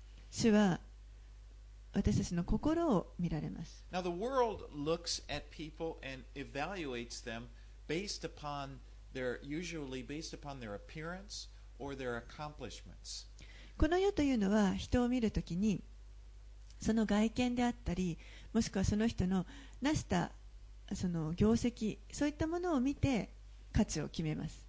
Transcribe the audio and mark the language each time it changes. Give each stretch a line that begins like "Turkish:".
Japanese: 主は私たちの心を見られます。
English: Now, the world looks at people and evaluates them based upon their appearance or their accomplishments.
Japanese: この世というのは、人を見るときにその外見であったり、もしくはその人の成したその業績、そういったものを見て価値を決めます。